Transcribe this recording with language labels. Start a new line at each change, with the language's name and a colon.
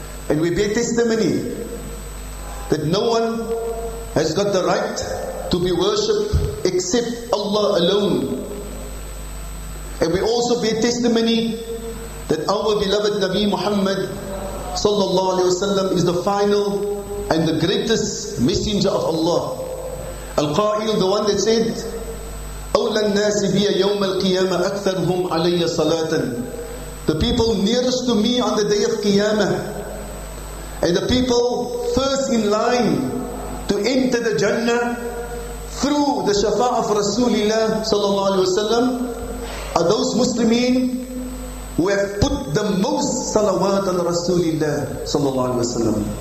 English: And we bear testimony that no one has got the right to be worshipped except Allah alone. And we also bear testimony that our beloved Nabi Muhammad sallallahu alaihi wasallam is the final and the greatest messenger of Allah. Al-Qa'il, the one that said,
Arabic: أَوْلَى النَّاسِ بِيَ يَوْمَ الْقِيَامَةِ أَكْثَرْهُمْ عَلَيَّ صَلَاةً.
English: The people nearest to me on the day of Qiyamah, and the people first in line to enter the Jannah through the Shafa'ah of Rasulullah sallallahu alayhi wasallam, are those Muslimin who have put the most salawat on Rasulullah sallallahu alayhi wasallam.